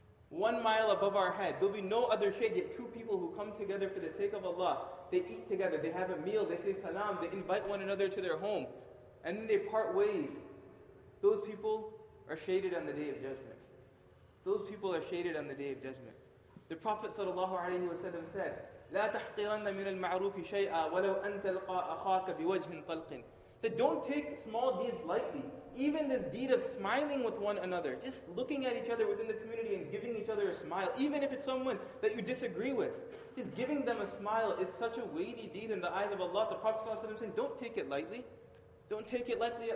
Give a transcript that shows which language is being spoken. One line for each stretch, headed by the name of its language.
English: 1 mile above our head. There'll be no other shade, yet two people who come together for the sake of Allah, they eat together, they have a meal, they say salam, they invite one another to their home. And then they part ways. Those people are shaded on the Day of Judgment. Those people are shaded on the Day of Judgment. The Prophet ﷺ said,
Arabic: لا تحقرن من المعروف شيئا ولو أن تلقى أخاك بوجه طلق.
English: That don't take small deeds lightly. Even this deed of smiling with one another, just looking at each other within the community and giving each other a smile, even if it's someone that you disagree with, just giving them a smile is such a weighty deed in the eyes of Allah. The Prophet ﷺ said, don't take it lightly. Don't take it lightly.